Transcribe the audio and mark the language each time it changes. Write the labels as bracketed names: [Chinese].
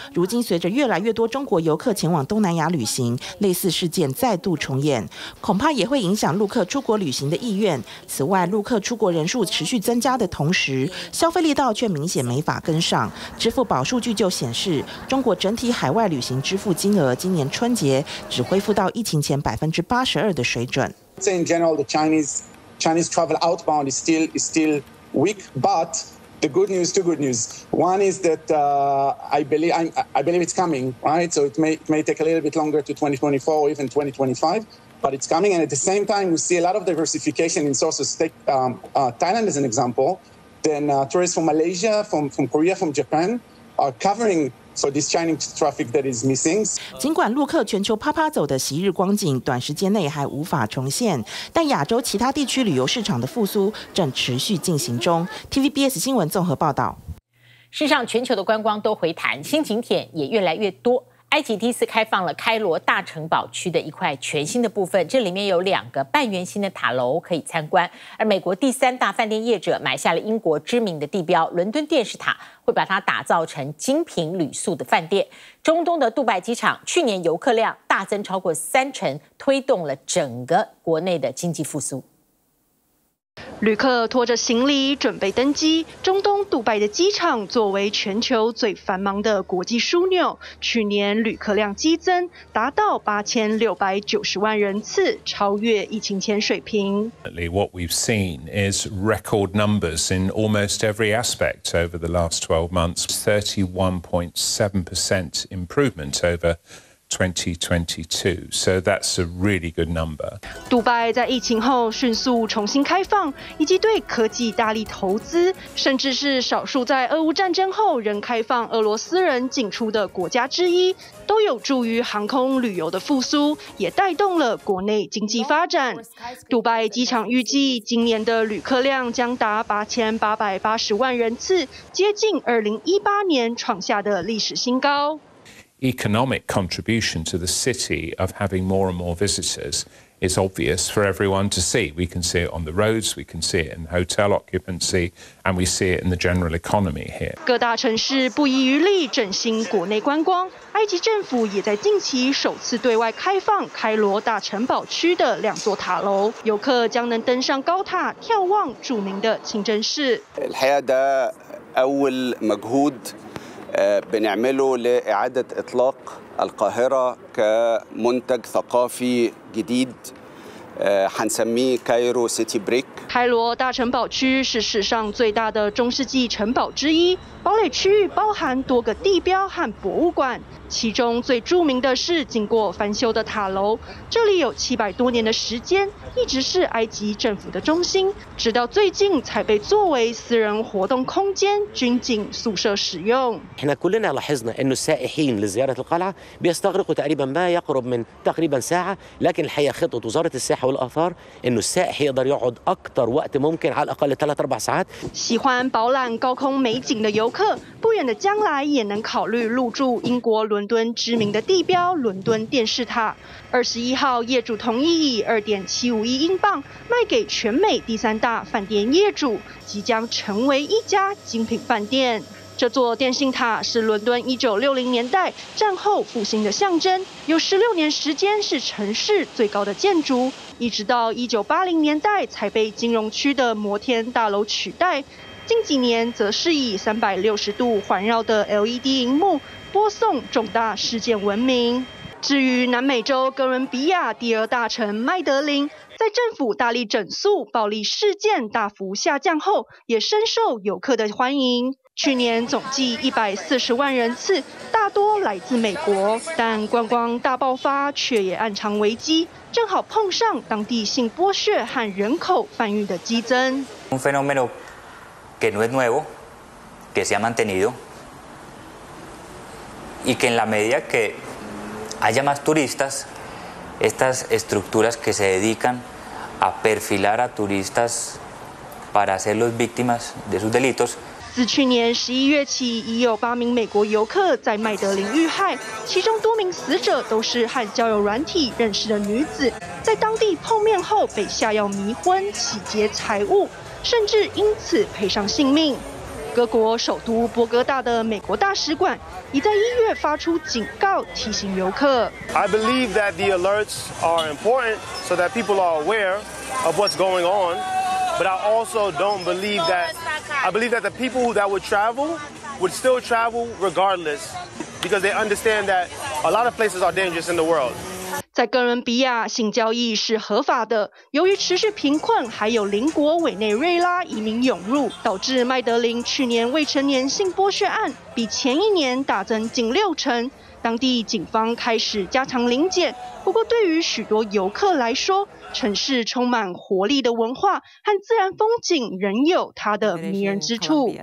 [Chinese] 如今随着越来越多中国游客前往东南亚旅行，类似事件再度重演，恐怕也会影响陆客出国旅行的意愿。此外，陆客出国人数持续增加的同时，消费力道却明显没法跟上。支付宝数据就显示，中国整体海外旅行支付金额今年春节只恢复到疫情前82%的水准。 [English] In general, the Chinese travel outbound is still weak. But the good news, two good news. One is that I believe it's coming, right? So it may take a little bit longer to 2024 or even 2025. But it's coming, and at the same time, we see a lot of diversification in sources. Take Thailand as an example. Then tourists from Malaysia, from Korea, from Japan are covering. So this Chinese traffic that is missing. [Chinese] 尽管陆客全球啪啪走的昔日光景短时间内还无法重现，但亚洲其他地区旅游市场的复苏正持续进行中。 TVBS 新闻综合报道。事实上，全球的观光都回弹，心情帖也越来越多，埃及第一次开放了开罗大城堡区的一块全新的部分，这里面有两个半圆形的塔楼可以参观。而美国第三大饭店业者买下了英国知名的地标伦敦电视塔，会把它打造成精品旅宿的饭店。中东的杜拜机场去年游客量大增超过三成，推动了整个国内的经济复苏。旅客拖着行李准备登机，中东杜拜的机场作为全球最繁忙的国际枢纽，去年旅客量激增达到8690万人次，超越疫情前水平。 [English] What we've seen is record numbers in almost every aspect over the last 12 months. 31.7% improvement over2022, so that's a really good number. [Chinese] 杜拜在疫情后迅速重新开放，以及对科技大力投资，甚至是少数在俄乌战争后仍开放俄罗斯人进出的国家之一，都有助于航空旅游的复苏，也带动了国内经济发展。杜拜机场预计今年的旅客量将达8880万人次，接近2018年创下的历史新高。 [English] Economic contribution to the city of having more and more visitors is obvious for everyone to see. We can see it on the roads, we can see it in hotel occupancy, and we see it in the general economy here. [Chinese] 各大城市不遗余力振兴国内观光，埃及政府也在近期首次对外开放开罗大城堡区的两座塔楼，游客将能登上高塔眺望著名的清真寺。 [Arabic] بنعمله لإعادة إطلاق القاهرة كمنتج ثقافي جديد حنسميه كايرو سيتي بريك [Chinese] 开罗大城堡区是史上最大的中世纪城堡之一，堡垒区域包含多个地标和博物馆，其中最著名的是经过翻修的塔楼，这里有700多年的时间一直是埃及政府的中心，直到最近才被作为私人活动空间、军警宿舍使用。 [Arabic] احنا كلنا لاحظنا انه السائحين لزيارة القلعة بيستغرقوا تقريبا ما يقرب من تقريبا ساعة، لكن الحقيقة خطة وزارة السياحة والآثار انه السائح يقدر يقعد اكثر وقت ممكن على الاقل 3-4 ساعات。 [Chinese] 喜欢饱览高空美景的游客，不远的将来也能考虑入住英国伦敦知名的地标伦敦电视塔。 21号，业主同意以2.751英镑卖给全美第三大饭店业主，即将成为一家精品饭店。这座电信塔是伦敦1960年代战后复兴的象征，有16年时间是城市最高的建筑，一直到1980年代才被金融区的摩天大楼取代。近几年则是以360度环绕的 LED 荧幕播送重大事件闻名。至于南美洲哥伦比亚第二大城麦德林，在政府大力整肃暴力事件大幅下降后，也深受游客的欢迎。去年总计140万人次，大多来自美国，但观光大爆发却也暗藏危机，正好碰上当地性剥削和人口贩运的激增。 [Spanish] Un fenómeno que no es nuevo, que se ha mantenido, y que en la medida que haya más turistas, estas estructuras que se dedican a perfilar a turistas para hacerlos víctimas de sus delitos。 [Chinese] 自去年11月起，已有8名美国游客在麦德林遇害，其中多名死者都是和交友软体认识的女子，在当地碰面后被下药迷昏，洗劫财物，甚至因此赔上性命。各国首都波哥大的美国大使馆已在1月发出警告，提醒游客。 [English] I believe that the alerts are important so that people are aware of what's going on, but I also don't believe that. I believe that the people that would travel would still travel regardless, because they understand that a lot of places are dangerous in the world. [Chinese] 在哥伦比亚，性交易是合法的。由于持续贫困，还有邻国委内瑞拉移民涌入，导致麦德林去年未成年性剥削案比前一年大增近60%。当地警方开始加强临检，不过对于许多游客来说，城市充满活力的文化和自然风景仍有它的迷人之处。